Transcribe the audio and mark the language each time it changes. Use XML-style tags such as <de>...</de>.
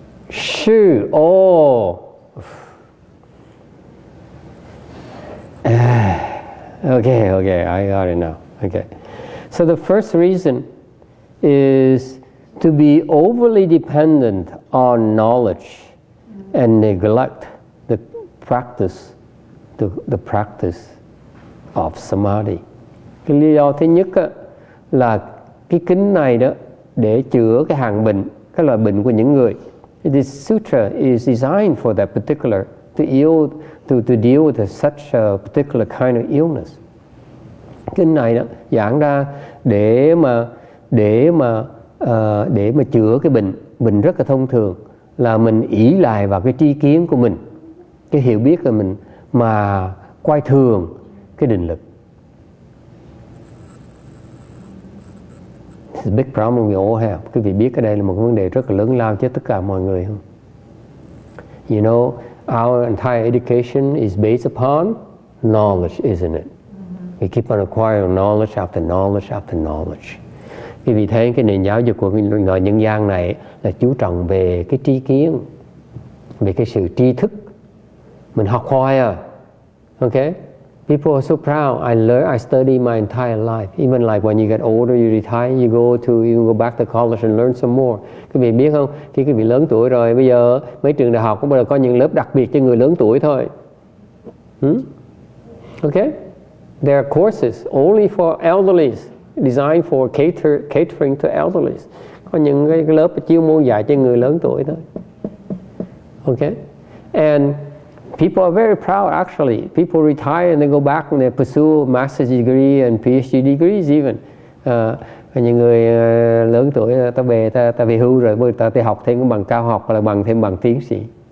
<zh>是哦，</zh> <en>okay, I got it now. Okay. So the first reason is to be overly dependent on knowledge and neglect the practice of samadhi.</en> <vi>Cái lý do thứ nhất là cái kính này đó để chữa cái hàng bệnh, cái loại bệnh của những người.</vi> <en>This sutra is designed for that particular to deal with such a particular kind of illness.</en> <vi>Kinh này đó giảng ra để mà chữa cái bệnh rất là thông thường là mình ỷ lại vào cái tri kiến của mình, cái hiểu biết của mình mà coi thường cái định lực.</vi> <en>It's a big problem we all have.</en> <vi>Quý vị biết cái đây là một vấn đề rất là lớn lao cho tất cả mọi người không?</vi> <en>You know, our entire education is based upon knowledge, isn't it? We keep on acquiring knowledge after knowledge after knowledge.</en> <vi>Quý vị thấy cái nền giáo dục của loài nhân gian này là chú trọng về cái tri kiến, về cái sự tri thức. Mình học hoài à.</vi> <en>Okay? People are so proud. I study my entire life. Even like when you get older, you retire, you go back to college and learn some more.</en> <vi>Quý vị biết không? Khi quý vị lớn tuổi rồi, bây giờ mấy trường đại học cũng bắt đầu có những lớp đặc biệt cho người lớn tuổi thôi.</vi> <en>Okay? There are courses only for elderly, designed for catering to elderly.</en> <vi>Có những cái lớp chuyên môn dạy cho người lớn tuổi thôi.</vi> <en>Okay? And people are very proud, actually. People retire and they go back and they pursue master's degree and PhD degrees even.</en> <vi>Những người lớn tuổi, ta về hưu rồi, bây giờ ta học thêm bằng cao học hoặc là bằng thêm bằng tiến sĩ.</vi>